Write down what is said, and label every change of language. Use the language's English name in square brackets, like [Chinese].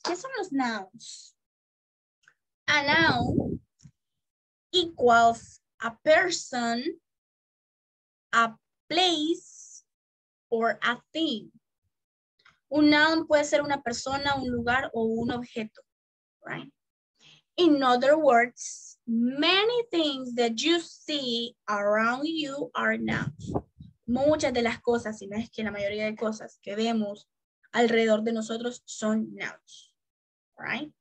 [Spanish] ¿Qué son los nouns? [English] A noun equals a person, a place, or a thing. [Spanish] Un noun puede ser una persona, un lugar, o un objeto, right? [English] In other words, many things that you see around you are nouns. [Spanish] Muchas de las cosas, si no es que la mayoría de cosas que vemos alrededor de nosotros son nouns, right?